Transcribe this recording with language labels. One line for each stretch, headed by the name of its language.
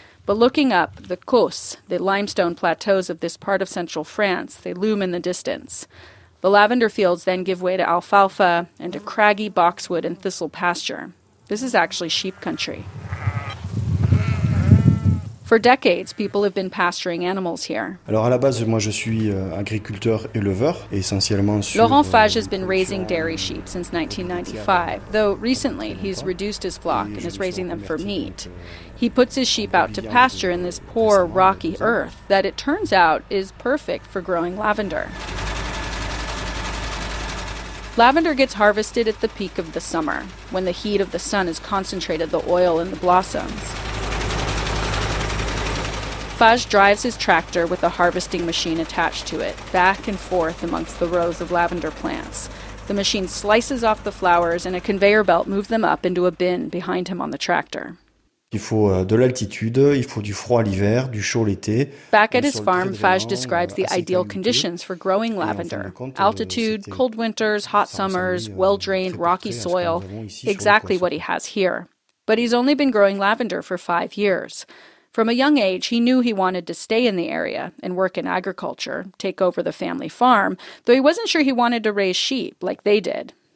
English: But looking up, the Causses, the limestone plateaus of this part of central France, they loom in the distance. The lavender fields then give way to alfalfa and a craggy boxwood and thistle pasture. This is actually sheep country. For decades, people have been pasturing animals here.
French: Alors à la base, moi je suis agriculteur éleveur essentiellement sur.
English: Laurent Fage has been raising dairy sheep since 1995, though recently he's reduced his flock and is raising them for meat. He puts his sheep out to pasture in this poor, rocky earth that it turns out is perfect for growing lavender. Lavender gets harvested at the peak of the summer, when the heat of the sun has concentrated the oil in the blossoms. Fage drives his tractor with a harvesting machine attached to it, back and forth amongst the rows of lavender plants. The machine slices off the flowers and a conveyor belt moves them up into a bin behind him on the tractor.
French: Il faut de l'altitude, il faut du froid l'hiver, du chaud l'été.
English: Back at his farm, Fage describes the ideal conditions for growing lavender. Altitude, cold winters, hot summers, well-drained, rocky soil, exactly what he has here. But he's only been growing lavender for 5 years. From a young age, he knew he wanted to stay in the area and work in agriculture, take over the family farm, though he wasn't sure he wanted to raise sheep like they did.